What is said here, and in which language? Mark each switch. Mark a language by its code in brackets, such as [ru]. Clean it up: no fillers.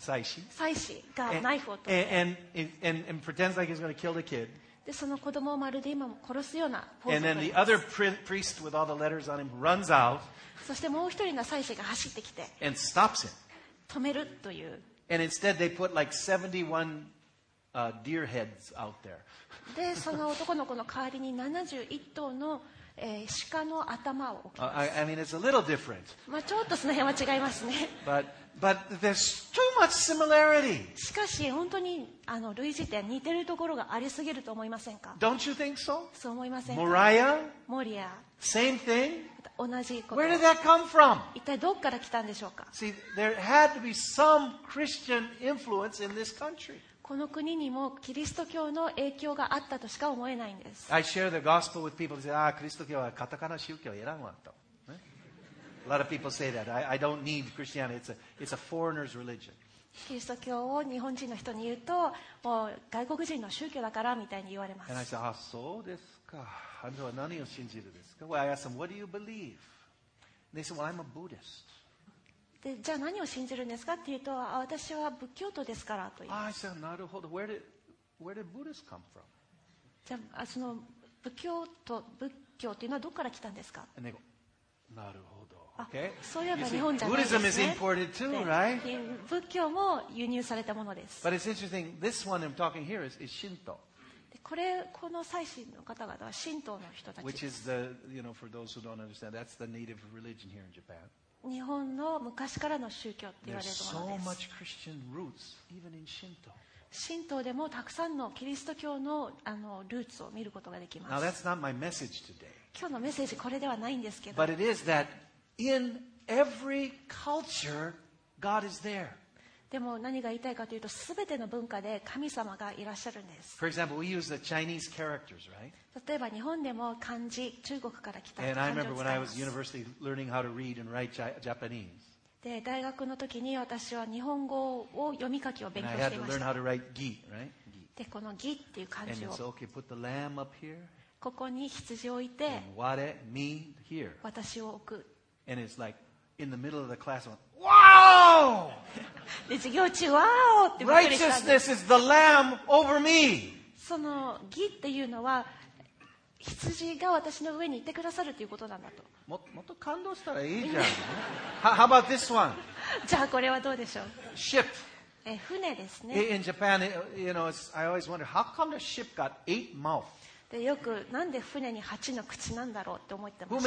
[ja] 祭司がナイフを取って、 [en] and pretends like he's going to kill the kid. [ja] でその子供をまるで今殺すようなポーズをとります [en] And then the other priest with all the letters on him runs out. [ja] そしてもう一人の祭司が走ってきて、 [en] and stops him. [ja] 止めるという。 [en] And instead they put like 71 deer heads out there. [ja] で、その男の子の代わりに71頭の鹿の頭を置きます。 [en] I mean, it's a little different. [ja] まあちょっとその辺は違いますね。 [en] But there's too much similarity. [ja] しかし本当にあの類似点似てるところがありすぎると思いませんか。 [en] Don't you think so? [ja] そう思いませんか。 [en] Moriah? [ja] モリア。 [en] Same thing? [ja] 同じこと。 [en] Where did that come from? [ja] 一体どこから来たんでしょうか。 [en] See, there had to be some Christian influence in this country. [ja] この国にもキリスト教の影響があったとしか思えないんです。 [en] I share the gospel with people who say, ah, [ja] キリスト教はカタカナ宗教いらんわと。 [en] A lot of people say that. I don't need Christianity. It's a foreigner's religion. [ja] キリスト教を日本人の人に言うと、もう外国人の宗教だからみたいに言われます。 [en] And I say, ah, [ja] そうですか。あなたは何を信じるんですか? [en] Well, I ask them, what do you believe? And they say, well, I'm a Buddhist. [ja] でじゃあ何を信じるんですかっていうと、あ、私は仏教徒ですからと言います。ああ、なるほど。 [en] Where did Buddhists come from? [ja] じゃあその仏教というのはどこから来たんですか。なるほど。 [en] Okay. [ja] そういえば日本じゃないですね。 [en] Buddhism is imported too, right? [ja] 仏教も輸入されたものです。 [en] But it's interesting. This one I'm talking here is Shinto. [ja] これこの最新の方々は神道の人たちです。 [en] Which is the, you know, for those who don't understand, that's the native religion here in Japan. [ja] 日本の昔からの宗教って言われるものです。 [en] There's so much Christian roots, even in Shinto. [ja] 神道でもたくさんのキリスト教の、あのルーツを見ることができます。 [en] Now, that's not my message today. [ja] 今日のメッセージこれではないんですけど。 [en] But it is that in every culture, God is there. [ja] でも何が言いたいかというと、すべての文化で神様がいらっしゃるんです。 [en] For example, we use the Chinese characters, right? [ja] 例えば日本でも漢字、中国から来た [en] And I remember when I was university learning how to read and write Japanese. [ja] で、大学の時に私は日本語を読み書きを勉強していました。 [en] And I had to learn how to write ギ、right? [ja] で、このギっていう漢字を。 [en] And it's okay, put the lamb up here. [ja] ここに羊を置いて、 [en] And ware, me, here. [ja] 私を置く。 [en] And it's like in the middle of the class, wow! [ja] で、授業中、わーってびっくりしたんです。 [en] Righteousness is the lamb over me! [ja] そのギっていうのは、羊が私の上にいてくださるということなんだと。もっと感動したらいいじゃん。 [en] How about this one? [ja] じゃあこれはどうでしょう。 [en] Ship. [ja] 船ですね。 [en] In Japan, you know, I always wonder how come the ship got eight mouths? [ja] でよくなんで船に8の口なんだろうって思ってます。